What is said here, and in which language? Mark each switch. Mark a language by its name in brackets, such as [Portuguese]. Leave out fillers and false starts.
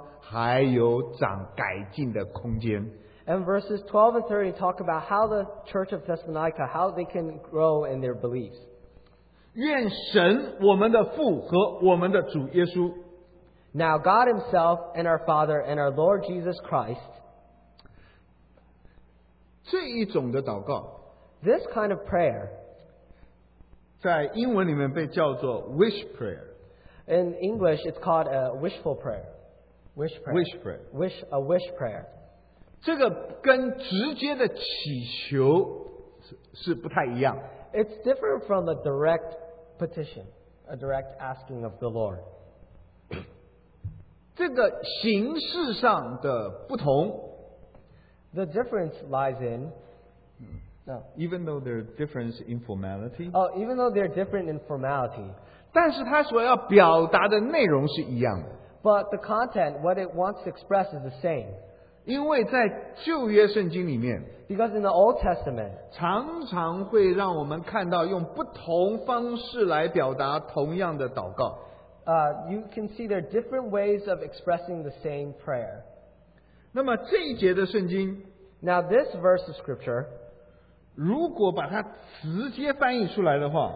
[Chinese] 然后是2节13节讲到帖撒罗尼迦弟兄姐妹在信仰上有什么地方还有长改进的空间。 [English] And verses 12 and 13 talk about how the church of Thessalonica, how they can grow in their beliefs. [Chinese] 愿神我们的父和我们的主耶稣, [English] now God himself and our Father and our Lord Jesus Christ, [Chinese] 这一种的祷告, [English] this kind of prayer, [Chinese] 在英文里面被叫做 [English] wish prayer. In English, it's called a wishful prayer. Wish prayer. Wish prayer. Wish a wish prayer. [Chinese] 这个跟直接的祈求是不太一样。 [English] It's different from the direct petition. a direct asking of the Lord. [Chinese] 这个形式上的不同, [English] the difference lies in even though there are different in formality. Oh, even though they're different in formality. [Chinese] 但是他所要表达的内容是一样的, [English] but the content, what it wants to express, is the same. [Chinese] 因为在旧约圣经里面, [English] because in the Old Testament, [Chinese] 常常会让我们看到用不同方式来表达同样的祷告。 [English] You can see there are different ways of expressing the same prayer. [Chinese] 那么这一节的圣经, [English] now this verse of scripture, [Chinese] 如果把它直接翻译出来的话,